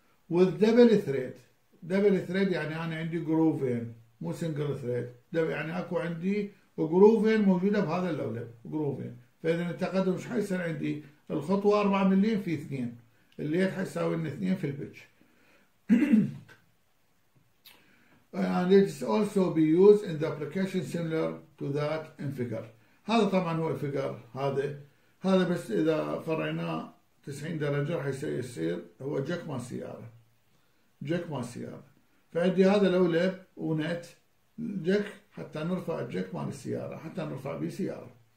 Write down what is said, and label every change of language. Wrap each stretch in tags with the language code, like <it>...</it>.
<ar>والدبل ثريد، دبل ثريد يعني أنا عندي جروفين مو سنجل ثريد، يعني أكو عندي جروفين موجودة بهذا اللولب جروفين، فإذا التقدم مش حيصير عندي الخطوة 4 ملم في 2 اللي هي حيساوي لنا 2 في البيتش.</ar> <en>And it is also be used in the application similar to that in figure.</en> <ar>هذا طبعا هو الفيجر هذا بس إذا قرعناه 90 درجة حيصير هو جاك ما سيارة، جاك ما سيارة. فعندي هذا لولب ونت جاك حتى نرفع الجاك مال السيارة حتى نرفع بي سيارة.</ar>